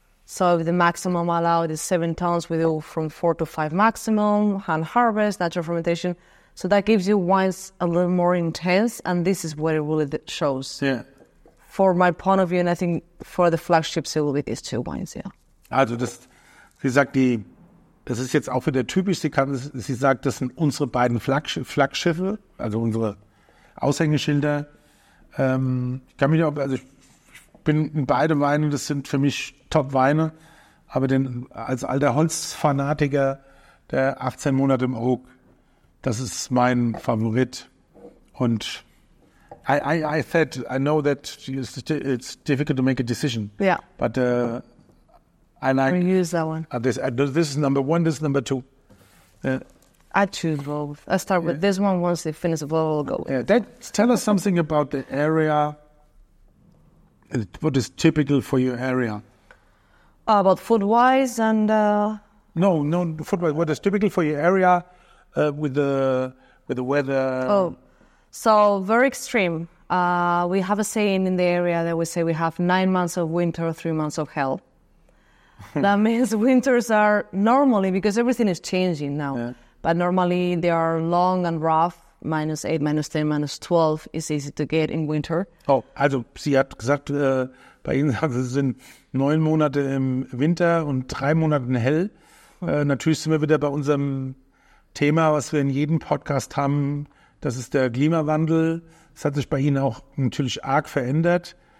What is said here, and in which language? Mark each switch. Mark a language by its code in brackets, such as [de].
[en] So the maximum allowed is 7 tons. We do from 4 to 5 maximum, hand harvest, natural fermentation. So that gives you wines a little more intense, and this is what it really shows. Yeah. For my point of view, and I think for the flagships, it will be these two wines, yeah. [de] Also das, wie gesagt, die... Das ist jetzt auch wieder typisch. Sie sagt, das sind unsere beiden Flaggschiffe, also unsere Aushängeschilder. Ich kann mich auch, also ich bin in beide Weine, das sind für mich Top-Weine. Aber den, als alter Holzfanatiker, der 18 Monate im Oak, das ist mein Favorit. [en] Und I said, I know that it's difficult to make a decision. Yeah. But, I like. We use that one. This is number one. This is number two. I choose both. I start with this one. Once they finish the bottle, I'll go with. Yeah, tell us something about the area. What is typical for your area? About food wise and. No, food wise. What is typical for your area, with the weather? Oh, so very extreme. We have a saying in the area that we say we have 9 months of winter, 3 months of hell. That means winters are normally, because everything is changing now, but normally they are long and rough, minus 8, minus 10, minus 12 is easy to get in winter. [de] Oh, also sie hat gesagt, bei Ihnen sind 9 Monate im Winter und 3 Monate hell. Natürlich sind wir wieder bei unserem Thema, was wir in jedem Podcast haben, das ist der Klimawandel. Das hat sich bei Ihnen auch natürlich arg verändert.